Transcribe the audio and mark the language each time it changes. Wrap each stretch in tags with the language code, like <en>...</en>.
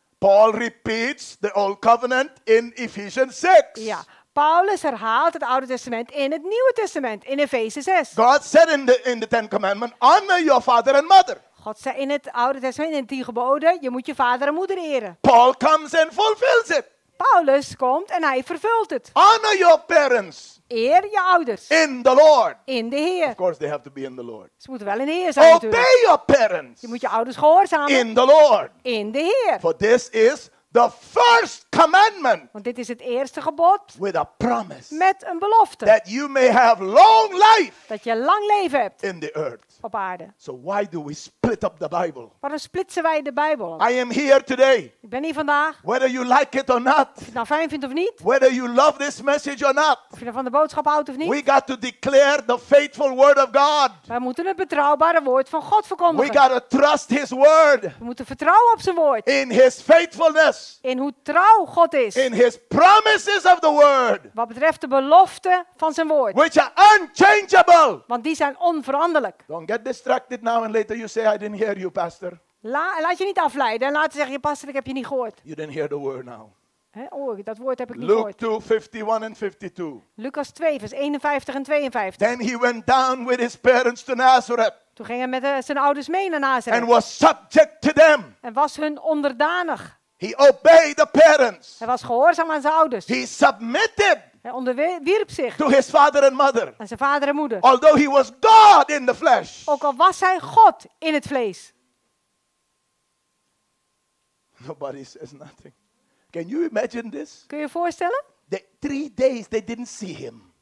<en>Paul repeats the old covenant in Ephesians 6.</en> <nl>Ja. Paulus herhaalt het Oude Testament in het Nieuwe Testament, in Efeze 6.</nl> <en>God said in the Ten Commandments, honor your father and mother.</en> <nl>God zei in het Oude Testament, in de 10 geboden, je moet je vader en moeder eren.</nl> <en>Paul comes and fulfills it.</en> <nl>Paulus komt en hij vervult het.</nl> <en>Honor your parents.</en> <nl>Eer je ouders.</nl> <en>In the Lord.</en> <nl>In de Heer.</nl> <en>Of course they have to be in the Lord.</en> <nl>Ze moeten wel in de Heer zijn.</nl> <en>Obey</en> <nl>natuurlijk.</nl> <en>Your parents.</en> <nl>Je moet je ouders gehoorzamen.</nl> <en>In the Lord.</en> <nl>In de Heer.</nl> <en>For this is the first commandment.</en> <nl>Want dit is het eerste gebod.</nl> <en>With a promise.</en> <nl>Met een belofte.</nl> <en>That you may have long life.</en> <nl>Dat je lang leven hebt.</nl> <en>In the earth.</en> <nl>Op aarde.</nl> <en>So why do we split up the Bible?</en> <nl>Waarom splitsen wij de Bijbel?</nl> <en>I am here today.</en> <nl>Ik ben hier vandaag.</nl> <en>Whether you like it or not.</en> <nl>Of je het nou fijn vindt of niet.</nl> <en>Whether you love this message or not.</en> <nl>Of je van de boodschap houdt of niet.</nl> <en>We got to declare the faithful word of God.</en> <nl>Wij moeten het betrouwbare woord van God verkondigen.</nl> <en>We got to trust his word.</en> <nl>We moeten vertrouwen op zijn woord.</nl> <en>In his faithfulness.</en> <nl>In hoe trouw God is.</nl> <en>In his promises of the word.</en> <nl>Wat betreft de beloften van zijn woord.</nl> <en>Which are unchangeable.</en> <nl>Want die zijn onveranderlijk.</nl> <en>Don't get distracted now and later you say I didn't hear you, pastor.</en> <nl>Laat je niet afleiden en laten zeggen, pastor, ik heb je niet gehoord.</nl> <en>You didn't hear the word now.</en> <nl>Dat woord heb ik niet</nl> <en>Luke</en> <nl>gehoord.</nl> <en>Luke 2:51 and 52.</en> <nl>Lucas 2, vers 51 en 52.</nl> <en>Then he went down with his parents to Nazareth.</en> <nl>Toen ging hij met zijn ouders mee naar Nazareth.</nl> <en>And was subject to them.</en> <nl>En was hun onderdanig.</nl> <en>He obeyed the parents.</en> <nl>Hij was gehoorzaam aan zijn ouders.</nl> <en>He submitted.</en> <nl>Hij onderwierp zich.</nl> <en>To his father and mother.</en> <nl>Aan zijn vader en moeder.</nl> <en>Although he was God in the flesh.</en> <nl>Ook al was hij God in het vlees.</nl> <en>Nobody says nothing. Can you imagine this?</en> <nl>Kun je je voorstellen?</nl> <en>Three days they didn't see him.</en>